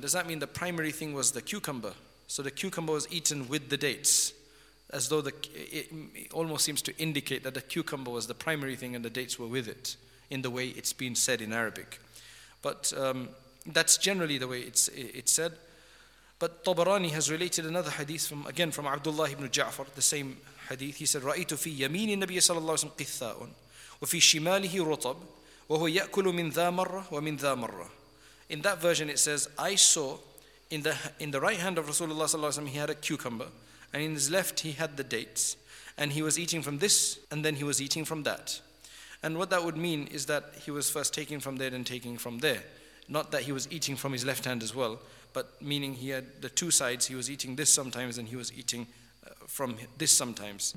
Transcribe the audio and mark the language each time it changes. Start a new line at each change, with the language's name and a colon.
English: Does that mean the primary thing was the cucumber? So the cucumber was eaten with the dates, as though it almost seems to indicate that the cucumber was the primary thing and the dates were with it, in the way it's been said in Arabic. But that's generally the way it's said. But Tabarani has related another hadith from Abdullah ibn Ja'far, the same hadith. He said,
Arabic: رَأَيْتُ فِي يَمِينِ النَّبِيَ صَلَى اللَّهُ وَسَلَّمْ قِثَّاءٌ وَفِي شِمَالِهِ رُطَبٌ وَهُوَ يَأْكُلُ مِنْ ذَا مَرَّةٌ وَمِنْ ذَا مَرَّةٌ.
English: In that version it says, I saw in the right hand of Rasulullah sallallahu alaihi wasallam, he had a cucumber, and in his left he had the dates, and he was eating from this and then he was eating from that. And what that would mean is that he was first taking from there, then taking from there. Not that he was eating from his left hand as well, but meaning he had the two sides. He was eating this sometimes and he was eating from this sometimes.